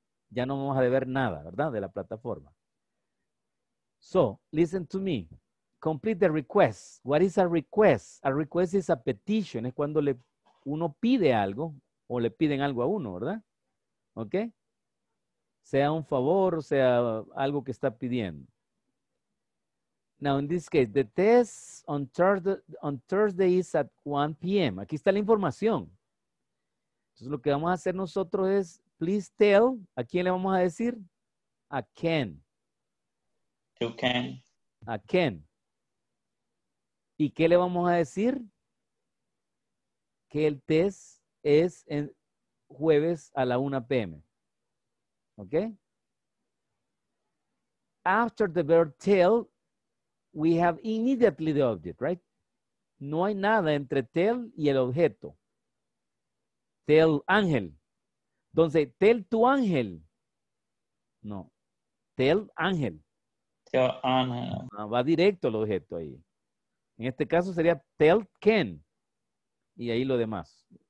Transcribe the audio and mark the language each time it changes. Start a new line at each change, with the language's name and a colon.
Spanish: Ya no vamos a deber nada, ¿verdad? De la plataforma.
English: So, listen to me. Complete the request. What is a request? A request is a petition.
Spanish: Es cuando uno pide algo o le piden algo a uno, ¿verdad? ¿Ok? Sea un favor o sea algo que está pidiendo.
English: Now, in this case, the test on Thursday is at 1 p.m.
Spanish: Aquí está la información. Entonces, lo que vamos a hacer nosotros es
English: please tell,
Spanish: ¿a quién le vamos a decir? A Ken.
English: To Ken.
Spanish: A Ken. ¿Y qué le vamos a decir? Que el test es en jueves a la 1 p.m. ¿Ok?
English: After the verb tell, we have immediately the object, right?
Spanish: No hay nada entre tell y el objeto. Tell Ángel. Entonces, tell tu ángel. No. Tell ángel.
English: Tell ángel.
Spanish: No, va directo el objeto ahí. En este caso sería tell Ken. Y ahí lo demás.